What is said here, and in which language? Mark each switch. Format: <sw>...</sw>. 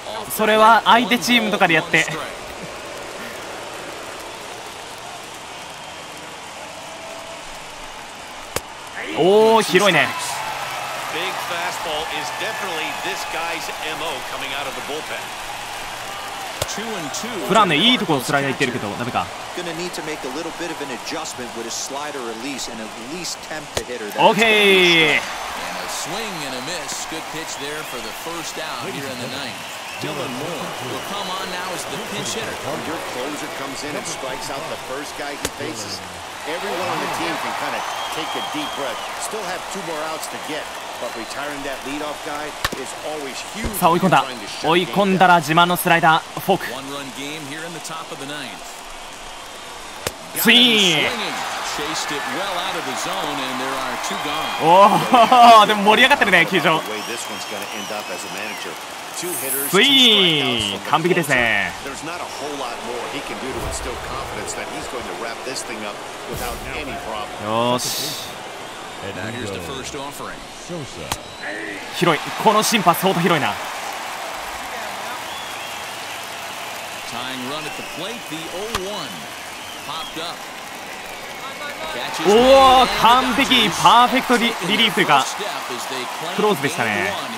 <ja>それは相手チームとかでやってお広いね。</ja> <en>fastball is definitely this guy's MO coming out of the bullpen. 2-2.</en> <ja>普段ね、いいところスライダー行ってるけど、ダメか。</ja> <en>Gonna need to make a little bit of an adjustment with a slider release and at least tempt the hitter. Okay. And a swing and a miss. Good pitch there for the first out here in the ninth. Dylan Moore will come on now as the pinch hitter. Your closer comes in and strikes out the first guy he faces. Everyone on the team can kind of take a deep breath. Still have two more outs to get. But retiring that leadoff guy is always huge.</en> <ja>さあ追い込んだ。追い込んだら自慢のスライダー、フォーク。</ja> <en>One run game here in the top of the ninth.</en> <ja>スイーン。</ja> <en>Chased it well out of the zone, and there are two gone.</en> <ja>おお、でも盛り上がってるね、球場。スイーン、完璧ですね。</ja> <en>There's not a whole lot more he can do to instill confidence that he's going to wrap this thing up without any problem.</en> <ja>よし。</ja> <en>And now here's the first offering.</en> <ja>広い、この審判相当広いな。</ja> <en>Tying run at the plate, the 0-1 popped up.</en> <ja>おお、完璧、パーフェクトリリーフというか、クローズでしたね。</ja>